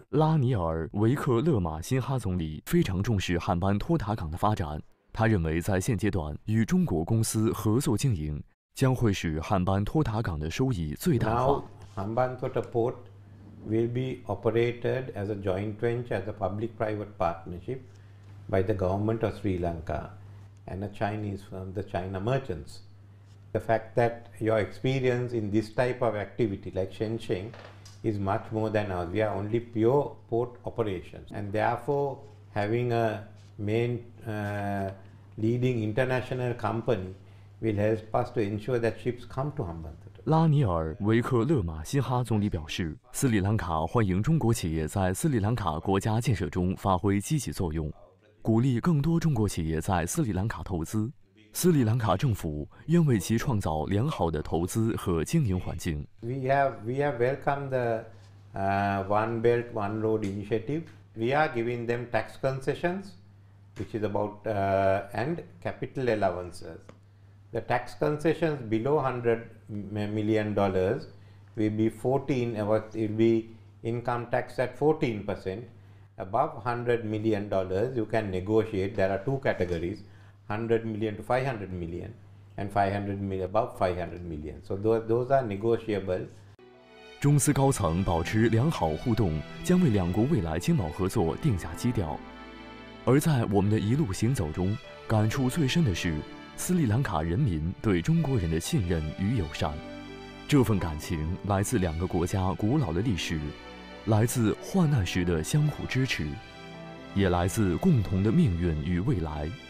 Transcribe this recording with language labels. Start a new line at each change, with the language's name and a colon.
Chinese: 拉尼尔·维克勒马辛哈总理非常重视汉班托塔港的发展。他认为在现阶段与中国公司合作经营将会使汉班托塔港的收益最大化。
English: Now, Hambantota Port will be operated as a joint venture, as a public-private partnership by the government of Sri Lanka and a Chinese firm, the China Merchants. The fact that your experience in this type of activity like Shenzhen is much more than ours. We are only pure port operations and therefore having a main leading international company will help us to ensure that ships come to Hambantota.
Chinese: 拉尼尔·维克勒马辛哈总理表示，斯里兰卡欢迎中国企业在斯里兰卡国家建设中发挥积极作用，鼓励更多中国企业在斯里兰卡投资。斯里兰卡政府愿为其创造良好的投资和经营环境。
English: We have welcomed the One Belt One Road Initiative. We are giving them tax concessions. Which is about and capital allowances. The tax concessions below $100 million will be 14. It will be income tax at 14%. Above $100 million, you can negotiate. There are two categories: $100 million to $500 million, and $500 million above $500 million. So those are negotiable.
Chinese: 中斯高层保持良好互动，将为两国未来经贸合作定下基调。而在我们的一路行走中，感触最深的是斯里兰卡人民对中国人的信任与友善。这份感情来自两个国家古老的历史，来自患难时的相互支持，也来自共同的命运与未来。